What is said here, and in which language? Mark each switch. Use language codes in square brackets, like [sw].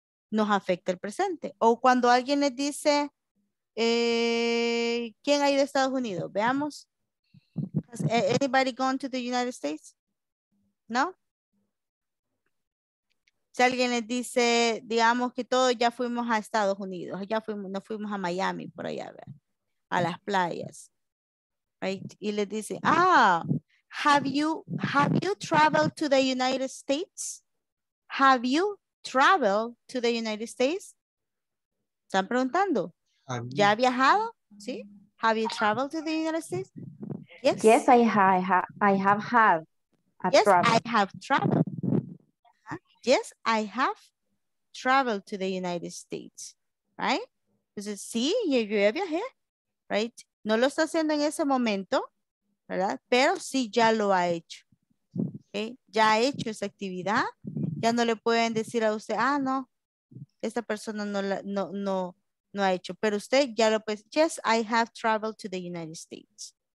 [es] Nos afecta el presente. O cuando alguien les dice, ¿quién ha ido a Estados Unidos? Veamos. [en] ¿Has anybody gone to the United States? [es] ¿No? Si alguien les dice, digamos que todos ya fuimos a Estados Unidos, ya fuimos, nos fuimos a Miami, por allá, ¿verdad? A las playas. [en] Right? [es] Y les dice, ah, [en] have you traveled to the United States? Have you traveled to the United States? [es] ¿Están preguntando? ¿Ya ha viajado? ¿Sí? [en] Have you traveled to the United States? Yes, yes, I have had. Yes, travel. I have traveled. Yes, I have traveled to the United States, right? [es] Entonces, sí, yo ya viajé, [en] right? [es] No lo está haciendo en ese momento, ¿verdad? Pero sí, ya lo ha hecho, ¿okay? Ya ha hecho esa actividad, ya no le pueden decir a usted, ah, no, esta persona no ha hecho, pero usted ya lo puede, [en] yes, I have traveled to the United States.